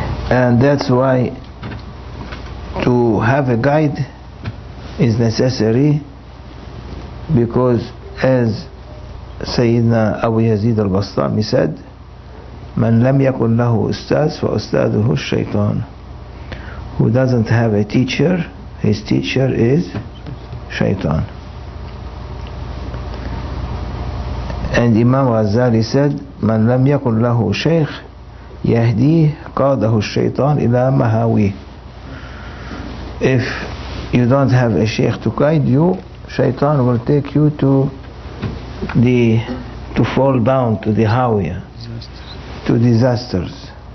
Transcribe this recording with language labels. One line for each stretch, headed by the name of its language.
English: And that's why to have a guide is necessary, because as Sayyidina Abu Yazid al-Bastami said,
Arabic: من لم يكن له أستاذ فأستاذه الشيطان.
English: Who doesn't have a teacher, his teacher is Shaitan. And Imam Ghazali said,
Arabic: من لم يكن له شيخ يهدي قاده الشيطان إلى مهاوي.
English: If you don't have a sheikh to guide you, Shaitan will take you to fall down to the hawiya, to disasters.